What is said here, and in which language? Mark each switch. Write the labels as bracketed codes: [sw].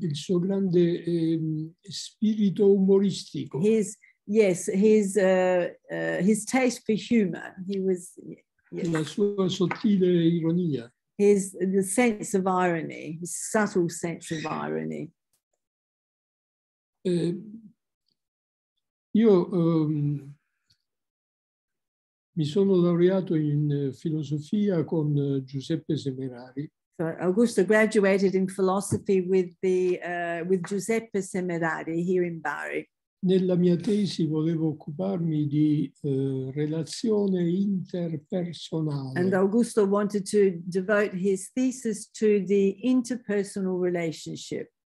[it] Il suo grande spirito umoristico. [en] His taste for humor. [it] La sua sottile ironia. [en] The sense of irony, his subtle sense of irony. [it] Io mi sono laureato in filosofia con Giuseppe Seminari. [en] So Augusto graduated in philosophy with Giuseppe Seminari here in Bari. [it] Nella mia tesi volevo occuparmi di relazione interpersonale. [en] And Augusto wanted to devote his thesis to the interpersonal relationship.